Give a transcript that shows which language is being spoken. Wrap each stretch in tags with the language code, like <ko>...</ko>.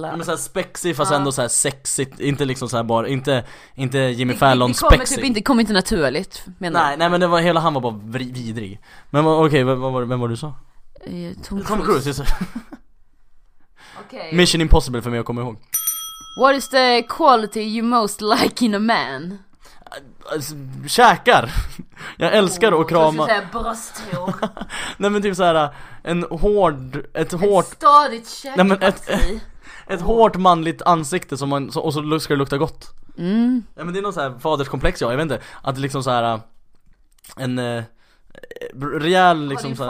<sv>Men så här spexig fast ändå så här sexigt, inte liksom så här bara inte Jimmy Fallon spexig. Det kom typ inte, kom inte naturligt, menar. Nej, men det var hela, han var bara vidrig. Men okej, vem var du sa? Tom Cruise. Okej. Okay. Mission Impossible för mig att komma ihåg.</sv> <en>What is the quality you most like in a man?</en> <sv>Käkar. Jag älskar att krama. Så säga brösthår. Nej, men typ så här ett hårt stadigt käk. Nej, men ett hårt manligt ansikte som man, och så ska det lukta gott. Mm. Ja, men det är någon så här faderskomplex, jag vet inte, att liksom så här en rejäl liksom så här.</sv>